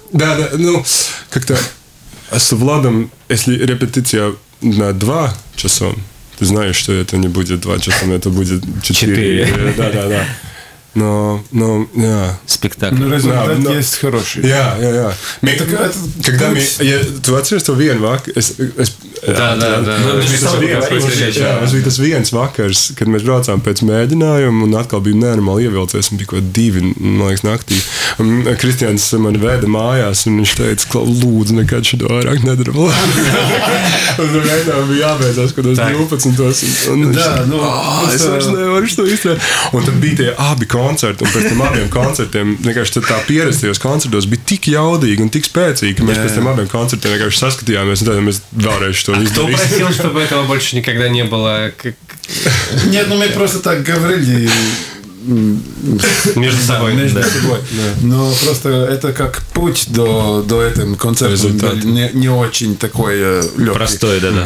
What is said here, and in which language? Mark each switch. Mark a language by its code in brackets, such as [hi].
[ru] Ну, как-то с Владом, если репетиция на 2 часа, ты знаешь, что это не будет 2 часа, это будет 4. Да. Но, спектакль. Ну, результат есть хороший. Когда я... Ты вообще, что в январе, [lv] Tas viens vakars, kad mēs braucām pēc mēģinājuma un atkal bija nenormāli ievilcies un bija kaut divi, man liekas, naktī. Un Kristians mani veda mājās un viņš teica, ka lūdzu nekad šo vairāk nedara. Un vienam bija jābeidzās kaut uz 12. Un viņš teica, es nevaru šo izstrādāt. Un tad bija tie abi koncerti un pēc tam abiem koncertiem, vienkārši tā pierastījos koncertos bija tik jaudīgi un tik spēcīgi, ka mēs pēc tam abiem koncertiem vienkārši saskatījāmies un tādā mēs vēlreiz šo [ru] А кто просил, чтобы этого больше никогда не было? Нет, ну мы просто так говорили. Между собой. Между собой. Но просто это как путь до этого концерта. Не очень такой легкий. Простой, да-да.